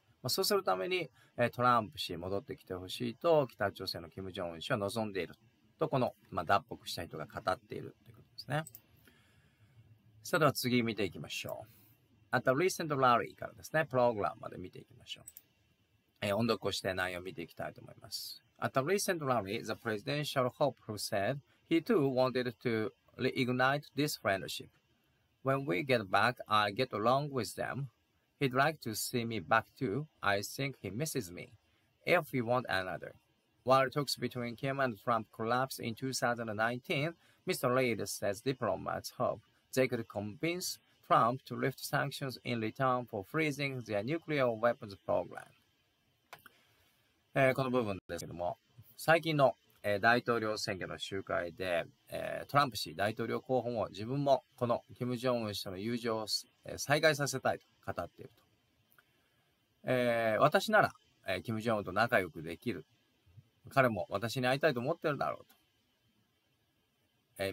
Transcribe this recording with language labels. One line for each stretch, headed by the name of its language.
Japanese: まあ、そうするために、トランプ氏戻ってきてほしいと、北朝鮮の金正恩氏は望んでいる。とこの、まあ、脱北した人が語っているということですね。それでは次見ていきましょう。あと、
English: Recent Rally
Japanese: からですね、プログラムまで見ていきましょう。音読をして内容を見ていきたいと思います。
English: あと、Recent Rally, the presidential hopeful said he too wanted to reignite this friendship. When we get back, I get along with them. He'd like to see me back too. I think he misses me. If he want another. While talks between Kim and Trump collapsed in 2019, Mr. Reid says diplomats hope they could convince Trump to lift sanctions in return for freezing their nuclear weapons program.
Japanese: この部分ですけども、最近の、大統領選挙の集会で、トランプ氏大統領候補も自分もこの金正恩氏との友情を、再開させたいと語っていると。私なら、金正恩と仲良くできる。彼も私に会いたいと思ってるだろうと。